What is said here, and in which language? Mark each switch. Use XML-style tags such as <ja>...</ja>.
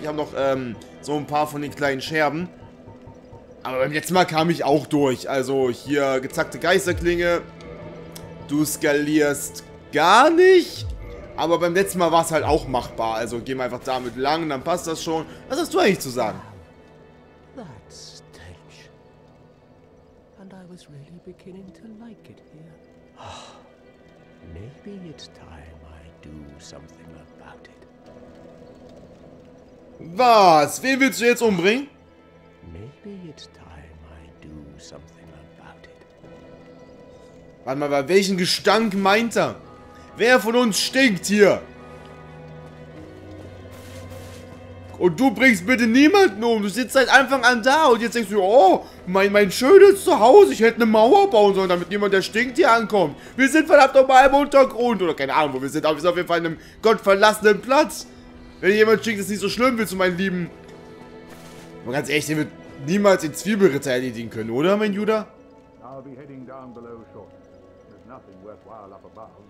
<de>Ich habe noch so ein paar von den kleinen Scherben. Aber beim letzten Mal kam ich auch durch. Also hier gezackte Geisterklinge. Du skalierst gar nicht. Aber beim letzten Mal war es halt auch machbar. Also gehen wir einfach damit lang, dann passt das schon. Was hast du eigentlich zu sagen?</de> <en>That's strange. And I was really beginning to like it here. Maybe it's time I do something about it.</en> <de>Was? Wen willst du jetzt umbringen?</de> <en>Maybe it's time I do something about it.</en> <de>Warte mal, bei welchem Gestank meint er? Wer von uns stinkt hier? Und du bringst bitte niemanden um. Du sitzt seit Anfang an da und jetzt denkst du, oh, mein schönes Zuhause. Ich hätte eine Mauer bauen sollen, damit niemand, der stinkt, hier ankommt. Wir sind verdammt nochmal im Untergrund. Oder keine Ahnung, wo wir sind. Aber wir sind auf jeden Fall in einem gottverlassenen Platz. Wenn jemand stinkt, ist nicht so schlimm, willst du, mein Lieben. Aber ganz ehrlich, der wird niemals den Zwiebelritter erledigen können, oder, mein Judah?</de> <en>I'll be heading down below shortly. There's nothing worthwhile up above.</en>